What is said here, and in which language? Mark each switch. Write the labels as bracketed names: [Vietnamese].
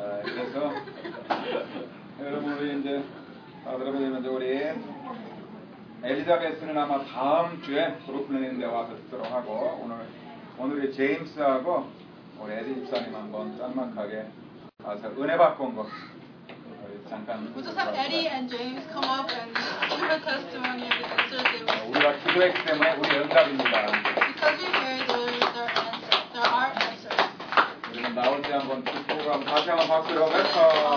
[Korean] 그래서 여러분 우리 이제 여러분 이제 우리 엘리자베스는 아마 다음 주에 브루클린에 와서 듣도록 하고 오늘의 제임스하고 우리 에디 집사님 한번 짤막하게. 아, 은혜 받고 온 거. 잠깐. [English] We just have Eddie and James come up and give a testimony of the answers they received. [Korean] 우리가 기도했기 때문에 우리 응답입니다. [English] Because we prayed, there are answers. [Korean] 우리는 나올 때 한번 축복을 한번 다시 한번 박수로 해서.